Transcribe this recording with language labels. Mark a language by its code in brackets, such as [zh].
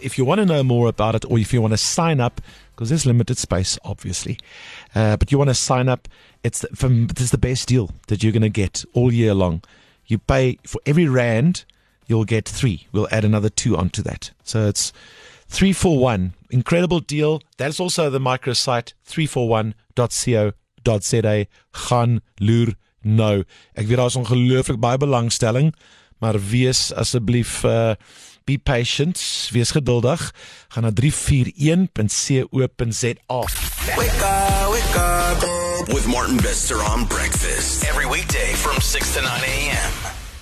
[en] If you want to know more about it, or if you want to sign up, because there's limited space, obviously, but you want to sign up, it's the best deal that you're going to get all year long. You pay for every rand, you'll get three. We'll add another two onto that. So it's 341. Incredible deal. That's also the microsite, 341.co.za. [af] Gaan loer nou. Ek weet daar is ongelooflik baie belangstelling, maar wees asseblief, [en] be patient, [af] wees geduldig. Gaan na 341.co.za. [en] Wake up. With Martin Visser on Breakfast. Every weekday from 6 to 9 a.m.